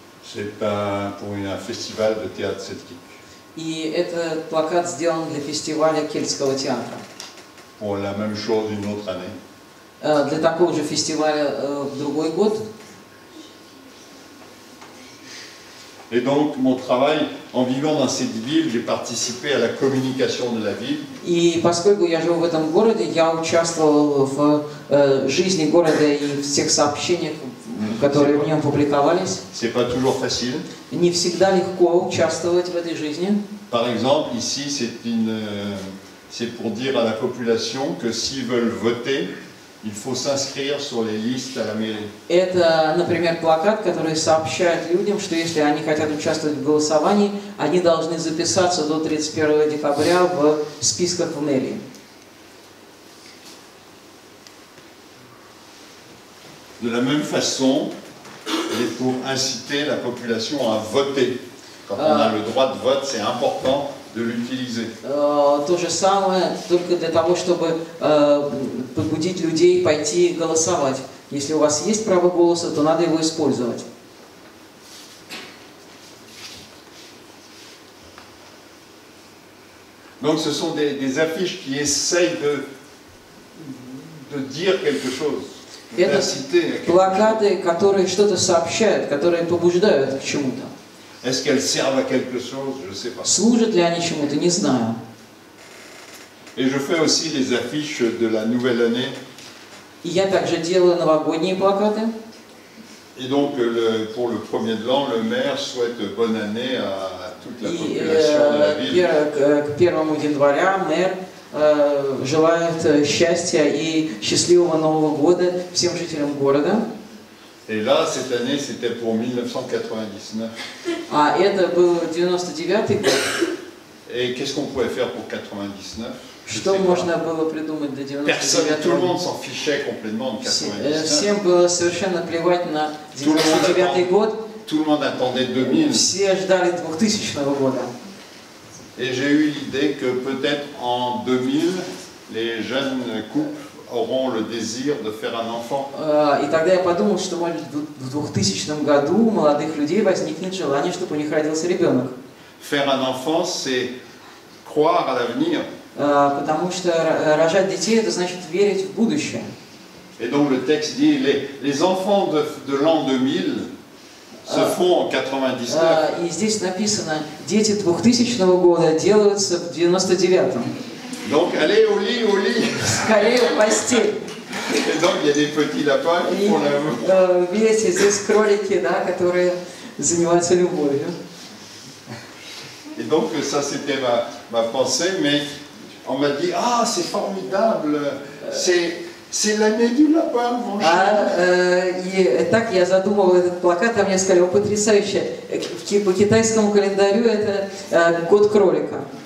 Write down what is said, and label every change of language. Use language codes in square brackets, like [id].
[fr] C'est pour un festival de théâtre celtique. [ru] И это плакат сделан для фестиваля кельтского театра. [fr] Pour la même chose une autre année. [ru] Для такого же фестиваля в другой год. [fr] Et donc mon travail, en vivant dans cette ville, j'ai participé à la communication de la ville. [ru] И поскольку я живу в этом городе, я участвовал в жизни города и в всех сообщениях, которые в нем публиковались. [fr] C'est pas toujours facile. [ru] Не всегда легко участвовать в этой жизни. [fr] Par exemple, ici, c'est pour dire à la population que s'ils veulent voter, il faut s'inscrire sur les listes à la mairie. [ru] Это, например, плакат, который сообщает людям, что если они хотят участвовать в голосовании, они должны записаться до 31 декабря в списках в мэрии. [fr] De la même façon, il faut inciter la population à voter. Quand on a le droit de vote, c'est important de l'utiliser. [ru] То же самое, только для того, чтобы побудить людей пойти голосовать. Если у вас есть право голоса, то надо его использовать. [fr] Donc ce sont des affiches qui essayent de dire quelque chose. [ru] Это плакаты, которые что-то сообщают, которые побуждают к чему-то. [fr] Est-ce qu'elles servent à quelque chose? Je ne sais pas. [ru] Служат ли они чему-то? Не знаю. [fr] Et je fais aussi les affiches de la nouvelle année. [ru] И я также делаю новогодние плакаты. [fr] Et donc pour le premier de l'an, le maire souhaite bonne année à toute la population de la ville. [ru] К первому января мэр желает счастья и счастливого нового года всем жителям города. [fr] Et là, cette année, c'était pour 1999. [ru] А это был 99-й год. [fr] Et qu'est-ce qu'on pouvait faire pour 99? [ru] Что можно было придумать до 99-го? [fr] Tout le monde s'en fichait complètement de 99. [ru] Всем было совершенно плевать на 99-й год. [fr] Tout le monde attendait 2000. [ru] Все ждали 2000-го года. [fr] Et j'ai eu l'idée que peut-être en 2000, les jeunes couples auront le désir de faire un enfant. [ru] И тогда я подумал, что может в 2000 году у молодых людей возникнет желание, чтобы у них родился ребенок. [fr] Faire un enfant, c'est croire à l'avenir. [ru] Потому что рожать детей, это значит верить в будущее. [fr] Et donc le texte dit, les enfants de l'an 2000 se font en 99. [ru] И здесь написано, дети 2000 года делаются в 99-м. [fr] Donc allez au lit, au lit. [ru] Скорее в постель. [fr] Et donc il y a des petits lapins qui font l'amour. [ru] Видите, здесь кролики, да, которые занимаются любовью. [fr] Et donc ça c'était ma pensée, mais on m'a dit ah c'est formidable, c'est l'année du lapin, mon cher. [ru] И так я задумывал этот плакат, а мне сказали, о, потрясающе, по китайскому календарю это год кролика.